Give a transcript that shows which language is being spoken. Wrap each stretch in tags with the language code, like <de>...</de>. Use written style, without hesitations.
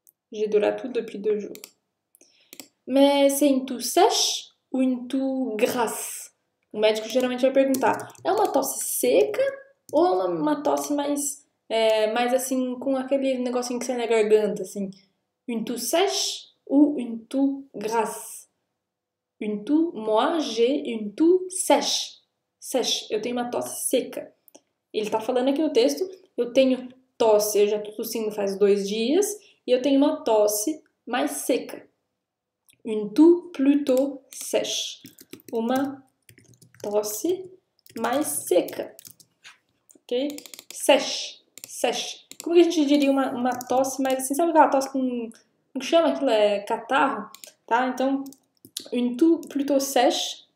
<fr>J'ai de la toux depuis 2 jours. Mais c'est une toux sèche ou une toux grasse?</fr> <pt>O médico geralmente vai perguntar: é uma tosse seca ou uma tosse mais assim, com aquele negocinho que sai na garganta, assim?</pt> <fr>Une toux sèche ou une toux grasse? Une toux, moi, j'ai une toux sèche.</fr> <pt>Sèche, eu tenho uma tosse seca. Ele tá falando aqui no texto: eu tenho tosse, eu já tô tossindo faz 2 dias, e eu tenho uma tosse mais seca.</pt> <fr>Une toux plutôt sèche.</fr> <pt>Uma tosse mais seca.</pt> <fr>Ok? Sèche. Sèche.</fr> <pt>Como que a gente diria uma tosse mais assim? Sabe aquela tosse com. Como chama aquilo? É catarro? Tá?</pt> <fr>Então, une toux plutôt sèche.</fr>